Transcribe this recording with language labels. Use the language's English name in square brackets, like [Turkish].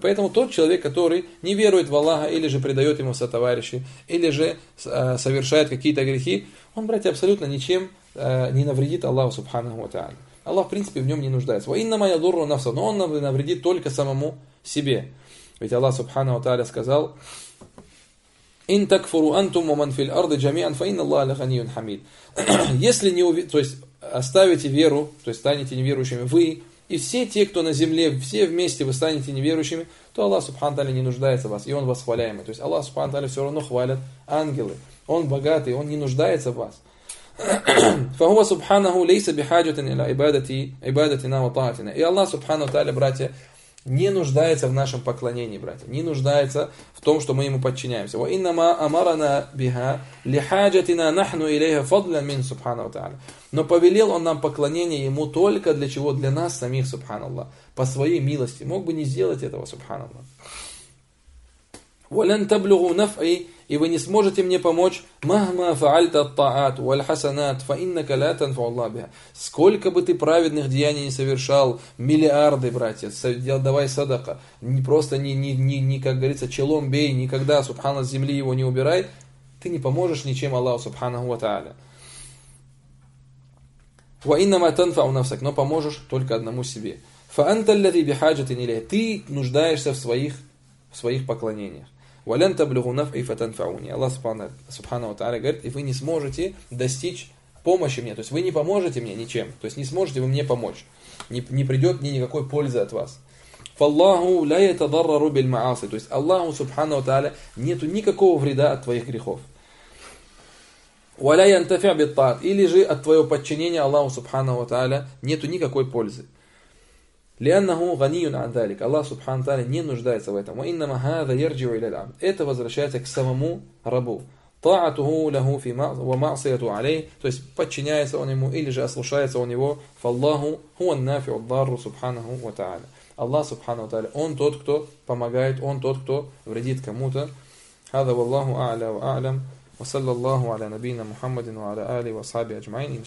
[Russian] Поэтому тот человек, который не верует в Аллаха, или же предает ему сотоварищи, или же совершает какие-то грехи, он, братья, абсолютно ничем не навредит Аллаху субханаху ва тааля. Аллах, в принципе, в нем не нуждается. [Arabic] وَإِنَّمَا يَضُرُّ نَفْسَهُ. [Russian] Но он навредит только самому себе. Ведь Аллах субхана ва тааля сказал: [Arabic] إِن تَكْفُرُوا أَنْتُمْ وَمَنْ فِي الْأَرْضِ جَمِيعًا فَإِنَّ اللَّهَ لَغَنِيٌّ حَمِيدٌ. [Russian] Если не уверите, то есть оставите веру, то есть станете неверующими вы и все те, кто на земле, все вместе вы станете неверующими, то Аллах субхана ва тааля не нуждается в вас, и он восхваляемый. То есть Аллах субхана ва тааля все равно хвалят ангелы. Он богатый, он не нуждается в вас. [Arabic] فهو سبحانه ليس بحاجة إلى عبادتنا وطاعتنا. [Russian] И Аллах Субхану Тааля, братья, не нуждается в нашем поклонении, братья, не нуждается в том, что мы ему подчиняемся. [Arabic] وإنما أمرنا بها لحاجتنا نحن إليها فضلا من سبحانه وتعالى. [Russian] Но повелел он нам поклонение ему только для чего? Для нас самих, субханаллах, по своей милости. Мог бы не сделать этого, субханаллах. [Arabic] ولن تبلغوا نفعي [Russian] и вы не сможете мне помочь [Arabic] مهما فعلت الطاعات والحسنات فإنك لا تنفع الله بها. [Russian] Сколько бы ты праведных деяний не совершал, миллиарды, братья, давай садака, не просто не как говорится, челом бей, никогда субхана с земли его не убирай, ты не поможешь ничем Аллаху субханаху ва тааля. [Arabic] وإنما تنفع نفسك, [Russian] но поможешь только одному себе. [Arabic] فأنت الذي بحاجة إليه, [Russian] ты нуждаешься в своих поклонениях. [Arabic] ولن تبلغوا نفعي فتنفعوني. [Russian] Аллах субхана ва тааля говорит, и вы не сможете достичь помощи мне, то есть вы не поможете мне ничем, то есть не сможете вы мне помочь, не придет мне никакой пользы от вас. [Arabic] فاللَّهُ لَا يَتَضَرَّرُ بِالْمَعَاصِي, [Russian] то есть Аллаху субхана ва тааля нету никакого вреда от твоих грехов. [Arabic] وَلَا يَنْتَفِعْ بِالطَّاعَةِ, [Russian] или же от твоего подчинения Аллаху субхана ва тааля нету никакой пользы. [Arabic] لأنه غني عن ذلك. [Russian] Аллах Субхану Тааля не нуждается в этом. [Arabic] وإنما هذا يرجع إلى العبد. [Russian] Это возвращается к самому рабу. [Arabic] طاعته له في ومعصيته عليه. [Russian] То есть подчиняется он ему или же ослушается он его. [Arabic] فالله هو النافع الضار سبحانه وتعالى. [Russian] Аллах Субхану Тааля, он тот, кто помогает, он тот, кто вредит кому-то. [Arabic] هذا والله أعلى وأعلم. وصلى الله على نبينا محمد وعلى آله وصحبه أجمعين.